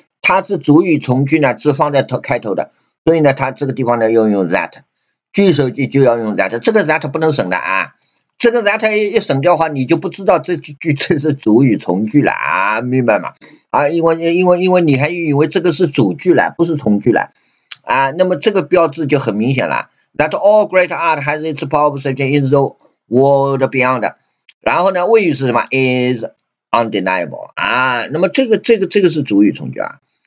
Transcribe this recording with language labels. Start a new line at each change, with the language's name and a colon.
Chinese: 它是主语从句呢，是放在头开头的，所以呢，它这个地方呢要用 that， 句首句就要用 that， 这个 that 不能省的啊，这个 that 一省掉的话，你就不知道这句句子是主语从句了啊，明白吗？啊，因为你还以为这个是主句了，不是从句了啊，那么这个标志就很明显了。
English: That all great art has its power of suggesting the world beyond.
Chinese: 然后呢，谓语是什么 ？
English: Is undeniable.
Chinese: 啊，那么这个是主语从句啊。